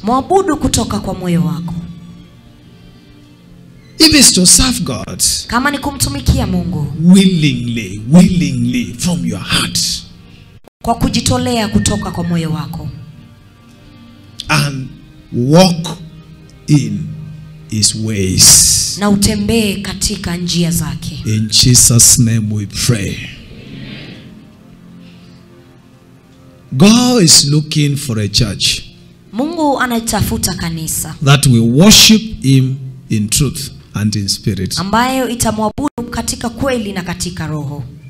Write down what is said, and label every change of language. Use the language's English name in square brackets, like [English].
[Swahili] Mwabudu kutoka kwa moyo wako. [English] If it's to serve God, [Swahili] kama ni kumtumikia Mungu, [English] willingly, willingly from your heart. [Swahili] Kwa kujitolea kutoka kwa moyo wako. [English] And walk in His ways. [Swahili] Na utembee katika njia zake. [English] In Jesus' name we pray. God is looking for a church. [Swahili] Mungu anatafuta kanisa. [English] That will worship Him in truth and in spirit. [Swahili] Ambayo itamwabudu katika kweli na katika roho.